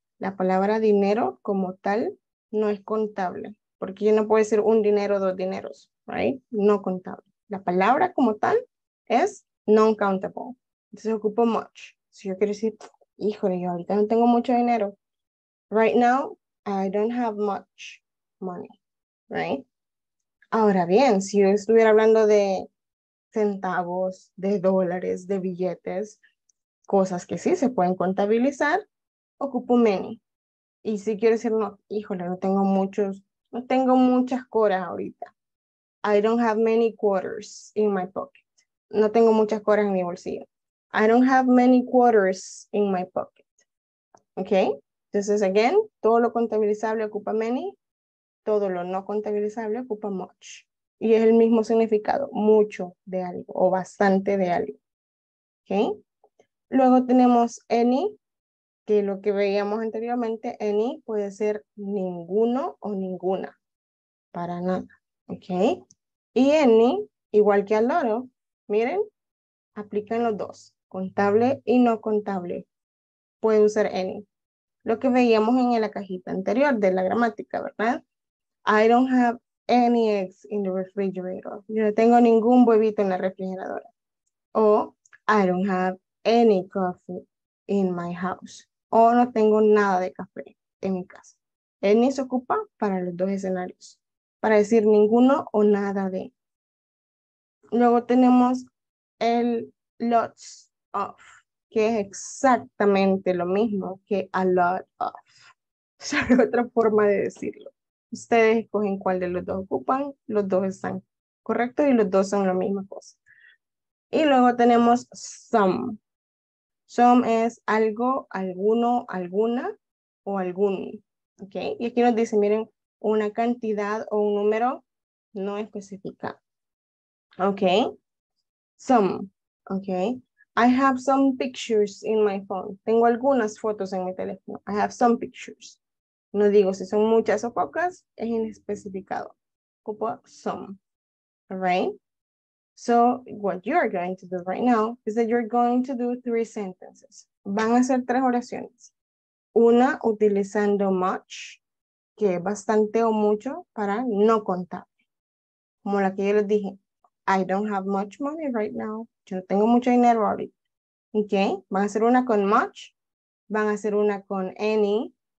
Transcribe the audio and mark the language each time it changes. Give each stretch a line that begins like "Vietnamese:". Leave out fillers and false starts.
Spanish: La palabra dinero como tal no es contable, porque yo no puedo decir un dinero, dos dineros, right? No contable. La palabra como tal es non-countable. Entonces ocupo much. Si yo quiero decir, híjole, yo ahorita no tengo mucho dinero.
English: Right now, I don't have much money, right?
Spanish: Ahora bien, si yo estuviera hablando de centavos, de dólares, de billetes, cosas que sí se pueden contabilizar, ocupo many. Y si quiero decir, no, híjole, no tengo muchas coras ahorita.
English: I don't have many quarters in my pocket.
Spanish: No tengo muchas coras en mi bolsillo.
English: I don't have many quarters in my pocket.
Spanish: Okay? Entonces, again, todo lo contabilizable ocupa many. Todo lo no contabilizable ocupa much. Y es el mismo significado, mucho de algo o bastante de algo. Okay? Luego tenemos any, que lo que veíamos anteriormente, any puede ser ninguno o ninguna. Para nada. Okay? Y any, igual que al loro, miren, aplican los dos. Contable y no contable. Puede usar any. Lo que veíamos en la cajita anterior de la gramática, ¿verdad?
English: I don't have any eggs in the refrigerator.
Spanish: Yo no tengo ningún huevito en la refrigeradora.
English: O I don't have any coffee in my house.
Spanish: O no tengo nada de café en mi casa. Any se ocupa para los dos escenarios. Para decir ninguno o nada de. Luego tenemos el lots of, que es exactamente lo mismo que a lot of. O sea, hay otra forma de decirlo. Ustedes escogen cuál de los dos ocupan, los dos están correctos y los dos son la misma cosa. Y luego tenemos some. Some es algo, alguno, alguna o algún. ¿Okay? Y aquí nos dice, miren, una cantidad o un número no especificado.
English: Okay. Some. Okay. I have some pictures in my phone.
Spanish: Tengo algunas fotos en mi teléfono.
English: I have some pictures.
Spanish: No digo si son muchas o pocas, es inespecificado. Ocupo some. All right?
English: So, what you're going to do right now is that you're going to do three sentences.
Spanish: Van a hacer tres oraciones. Una utilizando much, que es bastante o mucho, para no contable. Como la que yo les dije,
English: I don't have much money right now.
Spanish: Yo no tengo mucho dinero ahorita. Okay? Van a hacer una con much. Van a hacer una con any.